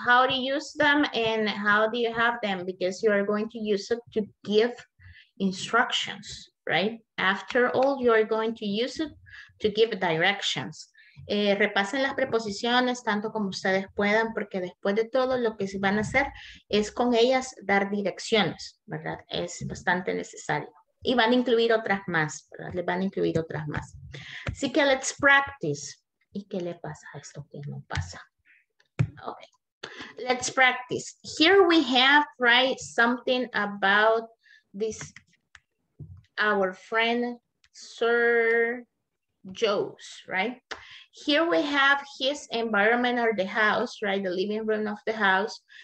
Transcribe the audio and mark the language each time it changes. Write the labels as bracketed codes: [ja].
[en] How do you use them and how do you have them? Because you are going to use it to give instructions, right? After all, you are going to use it to give directions. [es] Repasen las preposiciones tanto como ustedes puedan, porque después de todo lo que se van a hacer es con ellas dar direcciones, ¿verdad? Es bastante necesario. Y van a incluir otras más, ¿verdad? Le van a incluir otras más. Así que [en] let's practice. [es] ¿Y qué le pasa a esto que no pasa? [en] Okay. Let's practice. Here we have, right, something about this, our friend, Sir Joe's, right? Here we have his environment or the house, right, the living room of the house.